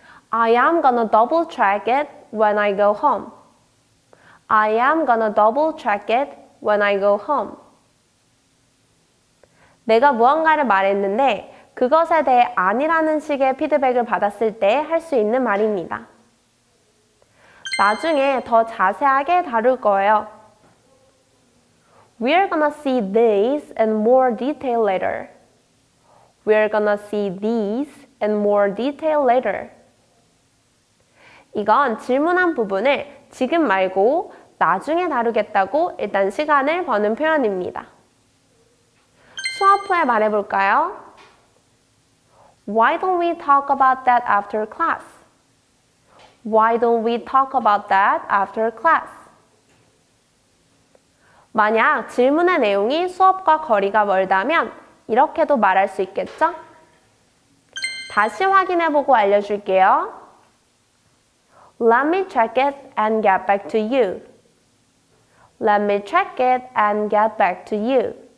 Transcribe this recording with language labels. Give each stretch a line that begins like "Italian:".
English: I am gonna double check it when I go home. I am gonna double check it when I go home.
Korean: 내가 무언가를 말했는데 그것에 대해 아니라는 식의 피드백을 받았을 때 할 수 있는 말입니다. 나중에 더 자세하게 다룰 거예요.
English: We are gonna see these in more detail later. We are gonna see these in more detail later.
Korean: 이건 질문한 부분을 지금 말고 나중에 다루겠다고 일단 시간을 버는 표현입니다. 수업 후에 말해볼까요?
English: Why don't we talk about that after class? Why don't we talk about that after class?
Korean: 만약 질문의 내용이 수업과 거리가 멀다면 이렇게도 말할 수 있겠죠? 다시 확인해보고 알려줄게요.
English: Let me check it and get back to you. Let me check it and get back to you.